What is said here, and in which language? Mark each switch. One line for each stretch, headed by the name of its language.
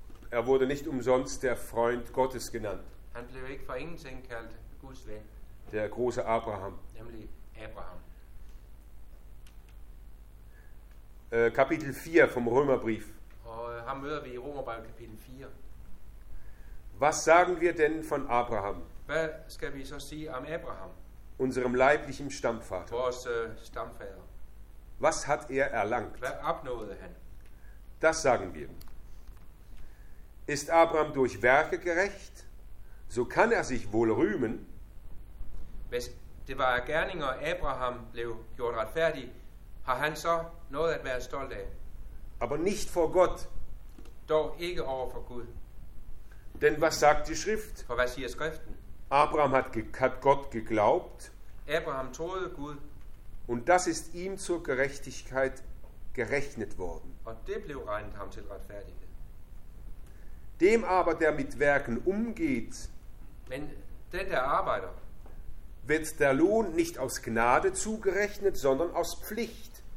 German: Er wurde nicht umsonst der Freund Gottes genannt.
Danish: Han blev ikke for ingenting kaldt Guds ven.
German: Der große Abraham. Nämlich Abraham. Kapitel 4 vom Römerbrief. Haben wir wie Römerbrief Kapitel 4. Was sagen wir denn von Abraham? Was
Danish: skal vi så sige om Abraham?
German: Unserem leiblichen Stammvater.
Danish: Vores Stammvater.
German: Was hat er erlangt?
Danish: Hvad opnåede han?
German: Das sagen wir. Ist Abraham durch Werke gerecht? So kann er sich wohl rühmen.
Danish: Hvis det var gerninger, Abraham blev gjort retfærdig, har han så noget at være stolt af?
German: Aber nicht vor Gott.
Danish: Dog ikke over for Gud.
German: Denn was sagt die Schrift?
Danish: For hvad siger Skriften?
German: Abraham hat Gott geglaubt.
Danish: Abraham troede Gud.
German: Und das ist ihm zur Gerechtigkeit gerechnet worden.
Danish: Og det blev regnet ham til retfærdighed.
German: Dem aber, der mit Werken umgeht,
Danish: men den, der arbeiter,
German: wird der Lohn nicht aus Gnade zugerechnet, sondern aus Pflicht.